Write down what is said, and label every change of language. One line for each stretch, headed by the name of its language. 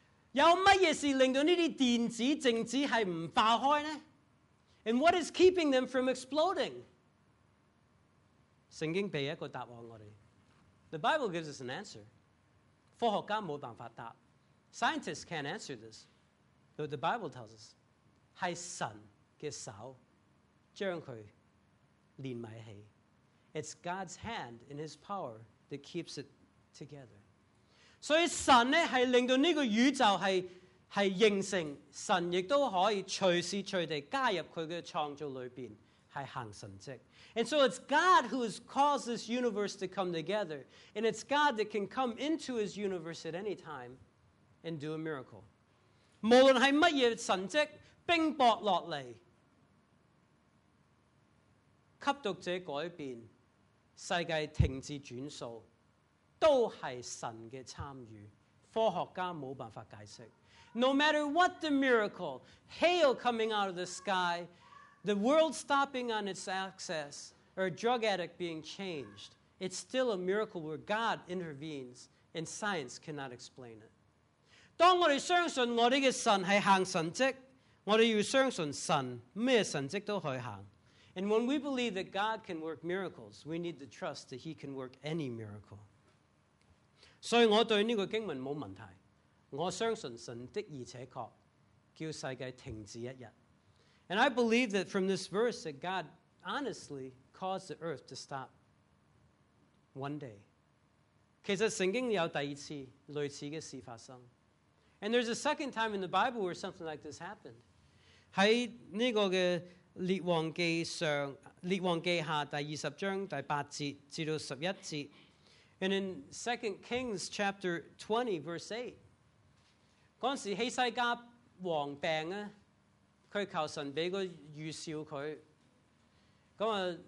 Cantonese: 有什麼事令到這些電子、靜子是不爆開呢？
English: And what is keeping them from exploding?
Cantonese: 聖經給一個答案我們。
English: The Bible gives us an answer.
Cantonese: 科學家沒辦法答。
English: Scientists can't answer this. But the Bible tells us,
Cantonese: 是神。嘅手將佢連埋起
English: ，It's God's hand in His power that keeps it together。
Cantonese: 所以神咧係令到呢個宇宙係形成，神亦都可以隨時隨地加入佢嘅創造裏邊，係行神蹟。
English: And so it's God who has caused this universe to come together, and it's God that can come into His universe at any time and do a miracle。
Cantonese: 無論係乜嘢神蹟。冰雹落嚟，吸毒者改變，世界停止轉數，都係神嘅參與。科學家冇辦法解釋。
English: No matter what the miracle, hail coming out of the sky, the world stopping on its axis, or a drug addict being changed, it's still a miracle where God intervenes, and science cannot explain it.
Cantonese: 當我哋相信我哋嘅神係行神蹟。我哋要相信神，咩神迹都可以行。
English: And when we believe that God can work miracles, we need to trust that He can work any miracle.
Cantonese: 所以我对呢个经文冇问题。我相信神的而且确叫世界停止一日。
English: And I believe that from this verse that God honestly caused the earth to stop one day.
Cantonese: 其实圣经有第二次类似嘅事发生。
English: And there's a second time in the Bible where something like this happened.
Cantonese: 在这个的列王记下第二十章第八节至到十一节。
English: And in 2 Kings chapter 20 verse 8.
Cantonese: 那时希西家王病啊，他求神给个预兆他。